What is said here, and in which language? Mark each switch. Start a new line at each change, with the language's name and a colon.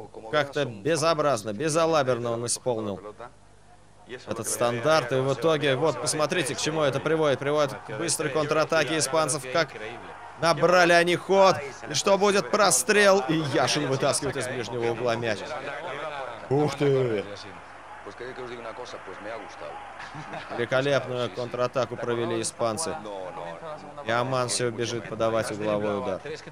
Russian: Как-то безобразно, безалаберно он исполнил этот стандарт. И в итоге, вот посмотрите, к чему это приводит. Приводит к быстрой контратаке испанцев. Как набрали они ход. И что будет? Прострел. И Яшин вытаскивает из ближнего угла мяч. Ух ты!
Spanish: Pues que os diga una cosa, pues me ha gustado.
Russian: Великолепную контратаку провели испанцы. И Амансио бежит подавать угловой удар.